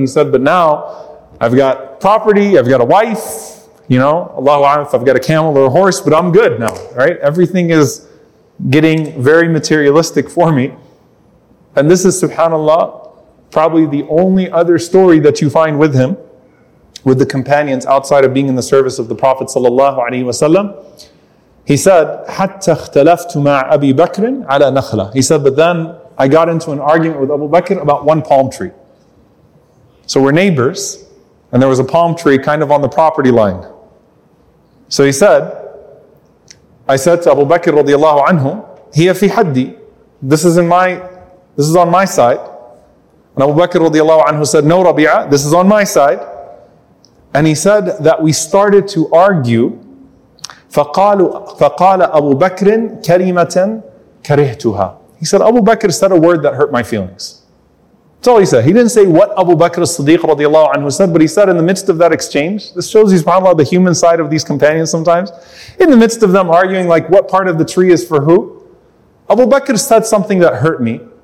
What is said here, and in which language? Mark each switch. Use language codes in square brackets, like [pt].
[en] He said, but now I've got property, I've got a wife, you know, Allahu A'lam, if I've got a camel or a horse, but I'm good now, right? Everything is getting very materialistic for me. And this is, subhanAllah, probably the only other story that you find with him, with the companions outside of being in the service of the Prophet sallallahu alaihi wasallam. He said, [ar] حَتَّ اخْتَلَفْتُ مَعْ أَبِي بَكْرٍ عَلَى نَخْلَةٍ. [en] He said, but then I got into an argument with Abu Bakr about one palm tree. So we're neighbors, and there was a palm tree kind of on the property line. So he said, I said to Abu Bakr radiallahu anhu, [ar] هِيَ فِي حَدِّي. [en] This is on my side. And Abu Bakr radiallahu anhu said, no Rabi'ah, this is on my side. And he said that we started to argue [ar] فقال أبو بكر كلمة كرهتها. [en] He said, Abu Bakr said a word that hurt my feelings. That's all he said. He didn't say what Abu Bakr as-Siddiq radiallahu anhu said, but he said in the midst of that exchange, this shows you, subhanAllah, the human side of these companions sometimes, in the midst of them arguing like what part of the tree is for who, Abu Bakr said something that hurt me.